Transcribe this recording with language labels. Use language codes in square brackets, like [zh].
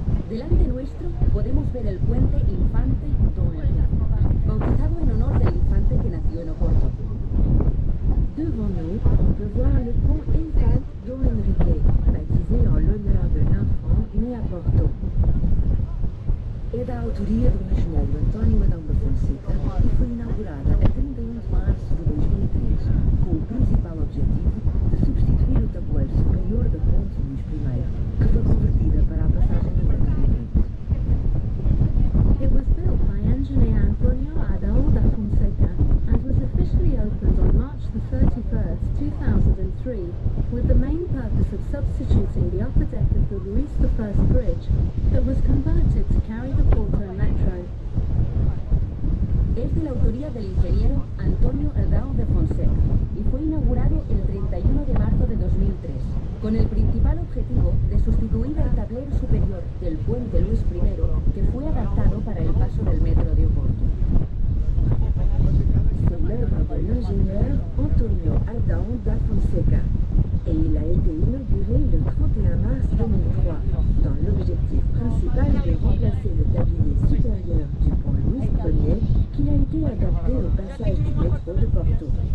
[es] Delante nuestro, podemos ver el puente Infante Dom Henrique, bautizado en honor del infante que nació en Oporto. [fr] Devant nous, on peut voir le pont Infante Dom Henrique, baptisé en l'honneur de l'enfant né à Porto. [pt] É da autoria do engenheiro António Adão da Fonseca e foi inaugurada a 31 de março de 2003, com o principal objetivo de substituir o tabuleiro superior da ponte Luís I, que foi convertida para a passagem do ano seguinte. [en] It was built by engineer António Adão da Fonseca and was officially opened on March 31, 2003, with the main purpose of substituting the upper deck of the Luís I bridge that was converted to carry the Porto Metro. [es] Es de la autoría del ingeniero Antonio Adão de Fonseca y fue inaugurado el 31 de marzo de 2003 con el principal objetivo de sustituir el tablero superior del puente Luis I que fue adaptado para el paso del metro de Oporto. [fr] Célèbre de l'ingénieur Antonio Adão da Fonseca et il a été inauguré le 31 mars 2003 dans l'objectif principal de remplacer le tablier supérieur du pont Louis Ier qui a été adapté au passage du métro de Porto.